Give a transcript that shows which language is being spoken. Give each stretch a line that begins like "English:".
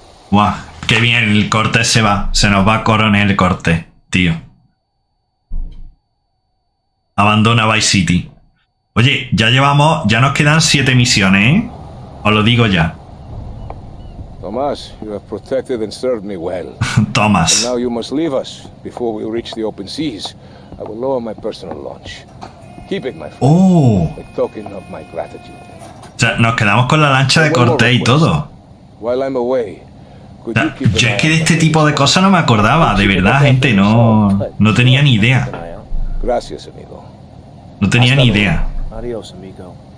Spanish: Buah, qué bien, el corte se va. Se nos va a coronar el corte, tío. Abandona Vice City. Oye, ya llevamos... Ya nos quedan 7 misiones, ¿eh? Os lo digo ya.
English: Tomás, you have protected and served me well. Tomás. Now you must leave us before we reach the open seas. I will lower my personal launch. Keep it, my friend. Oh. A token of my gratitude.
Spanish: O sea, nos quedamos con la lancha de Cortés y todo.
English: While I'm away, could you keep
Spanish: yo es que de este tipo de cosas no me acordaba, de verdad, gente, no, no tenía ni idea. Gracias, amigo. No tenía ni idea. Adiós, amigo.